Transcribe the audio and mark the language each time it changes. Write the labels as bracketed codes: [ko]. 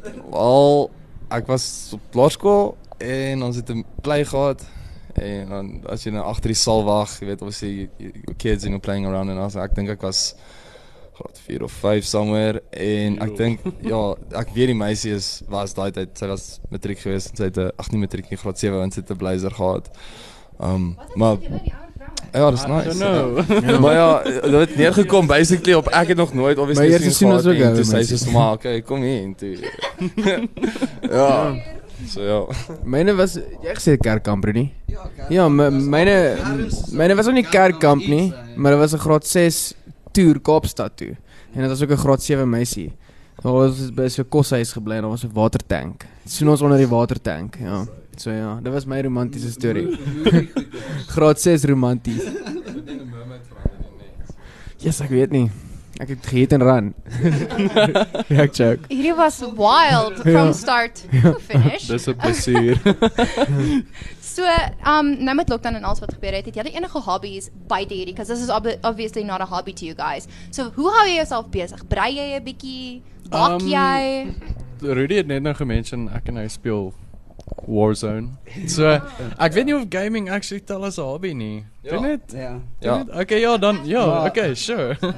[af] Wel, ek was op laerskool en ons het 'n play gehad en dan as jy nou agter die sal wag, jy weet, [en] obviously your kids and you're playing around and I think [af] ek was graad 4 of 5 somewhere en ek dink ja, ek weet die meisie was daai tyd, sy was matriek geweest en sy het ag nie matriek nie, graad 7 en sy het 'n blazer gehad. Maar ja, dis nice. [en] I don't know. [af] Maar ja, dit het neergekom basically op ek het nog nooit obviously maar hier sien ons ook toe sy is normaal, okay, kom hier en toe. Ja. So ja. Myne was jy gesê kerkkamp nie? Ja, myne was ook nie kerkkamp nie, maar dit was 'n graad 6 toer Kaapstad toe. En dit was ook 'n graad 7 meisie. Daar was by so 'n koshuis gebly en daar was 'n watertank. Soen ons onder die watertank, ja. So ja, dit was my romantiese storie. Graad 6 romanties. Yes, ek weet nie. Ek het geëet en ran. Ja, ek joke. Hierdie was [en] wild from start to finish. [af] Dis 'n plesier. So, nou met lockdown en alles wat gebeur het, het jy enige hobbies buite hierdie? [en] Because this is obviously not a hobby to you guys. [af] So, hoe hou jy jouself besig? Brei jy 'n bietjie? Bak jy? Rudy het net nou gemention, ek en hy speel Warzone. So, ek weet nie of gaming actually tel as 'n hobby nie. Ja. Doen het? Ja. Doen ja. Het? Okay, ja, dan, ja, okay, sure.